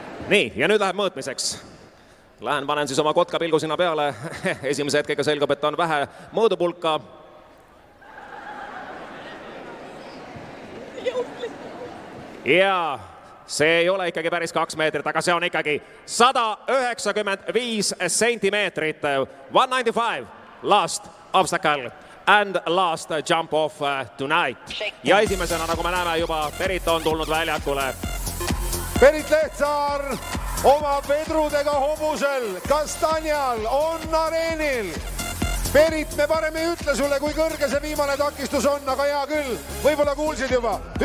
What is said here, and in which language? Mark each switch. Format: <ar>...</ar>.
<et>Nii, ja nüüd läheb mõõtmiseks. Lähen, panen siis oma kotkapilgu sinna peale. Esimese hetkega selgub, et on vähe mõõdupulka. Ja see ei ole ikkagi päris 2 meetrit, aga see on ikkagi 195 sentimeetrit.</et> <en>195, last obstacle and last jump off tonight.</en> <et>Ja esimesena, nagu me näeme, juba Perit on tulnud väljakule. Perit Lehtsaar oma vedrudega hobusel. Kastanjal on areenil. Perit, me parem ei ütle sulle, kui kõrge see viimane takistus on, aga hea küll. Võibolla kuulsid juba.</et>